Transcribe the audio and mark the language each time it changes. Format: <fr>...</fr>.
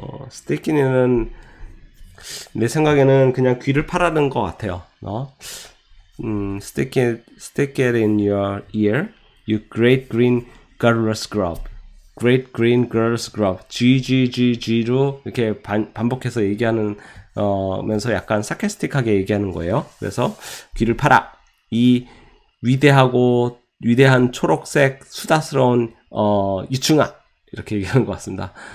<ko>스틱 인은 내 생각에는 그냥 귀를 파라는 것 같아요.</ko> <en>stick it in your ear, you great green girl's glove. Great green girl's glove.</en> <ko>GGGG로 이렇게 반복해서 얘기하는, 면서 약간 사케스틱하게 얘기하는 거예요. 그래서 귀를 파라. 이 위대하고 위대한 초록색 수다스러운, 유충아. 이렇게 얘기하는 것 같습니다.</ko>